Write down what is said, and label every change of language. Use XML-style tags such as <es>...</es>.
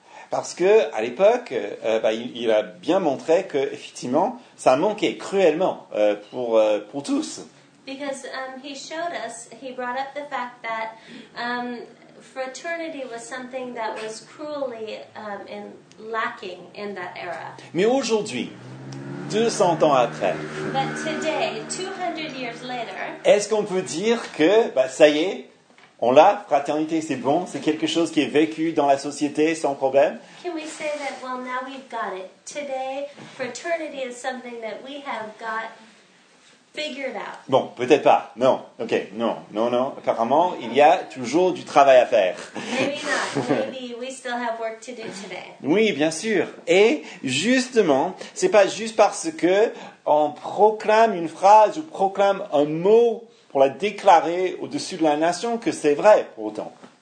<fr>Parce que à l'époque, il a bien montré que effectivement, ça manquait cruellement pour tous.</fr> <en>Because he brought up the fact that fraternity was something that was cruelly lacking in that era.</en> <fr>Mais aujourd'hui, 200 ans après.</fr> <en>But today, 200 years later,</en> <fr>est-ce qu'on peut dire que, ça y est, on l'a, fraternité, c'est bon, c'est quelque chose qui est vécu dans la société sans problème?</fr> <en>Can we say that, well, now we've got it. Today, fraternity is something that we have got figured out.</en> <fr>Bon, peut-être pas. Non. OK. Non. Non, non. Apparemment, il y a toujours du travail à faire.</fr> <en>Maybe not. Maybe we still have work to do today.</en> <fr>Oui, bien sûr. Et justement, c'est pas juste parce que on proclame une phrase ou proclame un mot pour la déclarer au-dessus de la nation que c'est vrai pour autant.</fr>